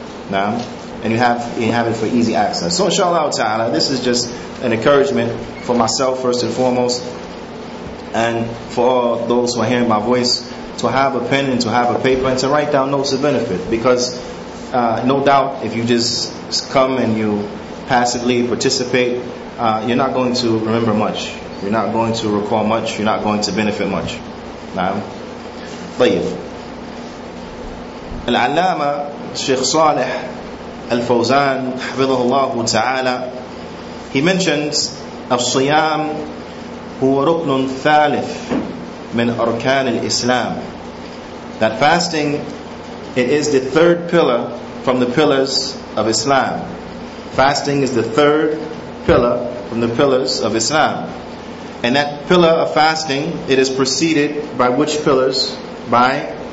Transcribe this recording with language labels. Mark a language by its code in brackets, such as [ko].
[en] Now, and you have it for easy access. So inshallah ta'ala, this is just an encouragement for myself first and foremost, and for all those who are hearing my voice, to have a pen and to have a paper and to write down notes of benefit. Because no doubt, if you just come and you passively participate, you're not going to remember much. You're not going to recall much. You're not going to benefit much. [ar] طيب. العلامة شيخ صالح الفوزان حفظه الله تعالى. [en] He mentions [ar] الصيام هو ركن ثالث من أركان الإسلام. [en] That fasting, it is the third pillar from the pillars of Islam. Fasting is the third pillar from the pillars of Islam. And that pillar of fasting, it is preceded by which pillars? By?